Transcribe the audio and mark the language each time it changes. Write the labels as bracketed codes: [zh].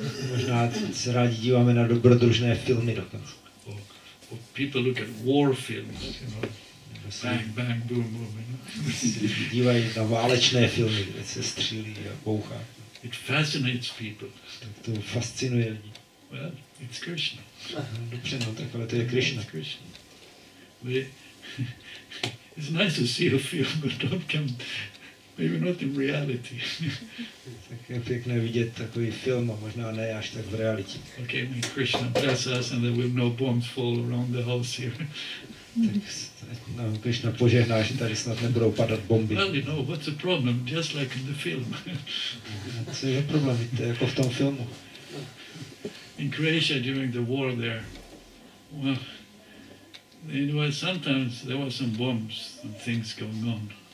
[cs] Možná se rádi díváme na dobrodružné filmy dokonce. [en] Or people look at war films, you know, bang, bang, boom, boom, you know. [cs] Dívají na válečné filmy, kde se střílí a bouchá. [en] It fascinates people. [cs] Tak to fascinuje lidi. [en] Well, it's Krishna. [cs] Dobře, no, tak, ale to je Krishna. [en] It's Krishna. It's nice to see a film, but don't come, maybe not in reality. [cs] Tak je pěkné vidět takový film, a možná ne až tak v realitě. [en] Okay, may Krishna bless us and there will no bombs fall around the house here. [cs] Tak nám Krishna požehná, že tady snad nebudou padat bomby. [en] Well, you know, what's the problem? Just like in the film. [cs] Co je problém? Víte, jako v tom filmu. [en] In Croatia during the war there, well, it was sometimes there were some bombs and things going on.